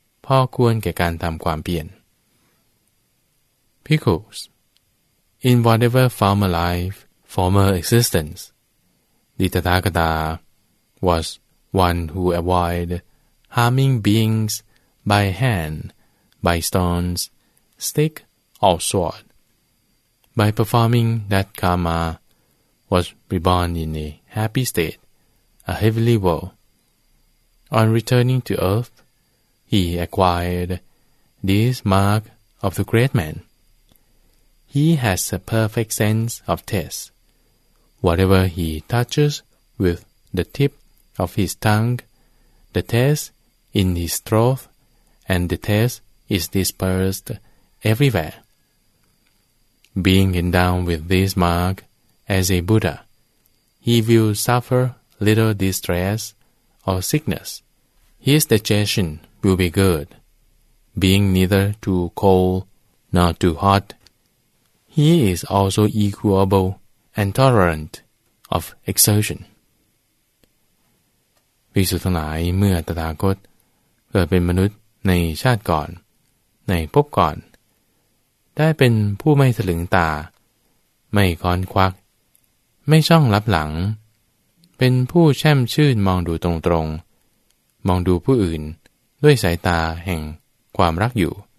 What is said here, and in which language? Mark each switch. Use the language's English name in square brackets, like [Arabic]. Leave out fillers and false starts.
[Thai] พอควรแก่การทำความเปลี่ยน [English] Pickles In whatever former life, former existence, the Tathagata was one who avoided harming beings by hand, by stones, stick or sword. By performing that karma, was reborn in a happy state, a heavenly world. On returning to earth, he acquired this mark of the great man. He has a perfect sense of taste. Whatever he touches with the tip of his tongue, the taste in his throat, and the taste is dispersed everywhere. Being endowed with this mark as a Buddha, he will suffer little distress or sickness. His digestion will be good, being neither too cold nor too hot. He is also equable and tolerant of exertion. [Thai] ภิกษุทั้งหลายเมื่อตถาคตเกิดเป็นมนุษย์ในชาติก่อนในภพก่อนได้เป็นผู้ไม่ถลึงตาไม่ค้อนควักไม่ช่องลับหลังเป็นผู้แช่มชื่นมองดูตรงๆมองดูผู้อื่นด้วยสายตาแห่งความรักอยู่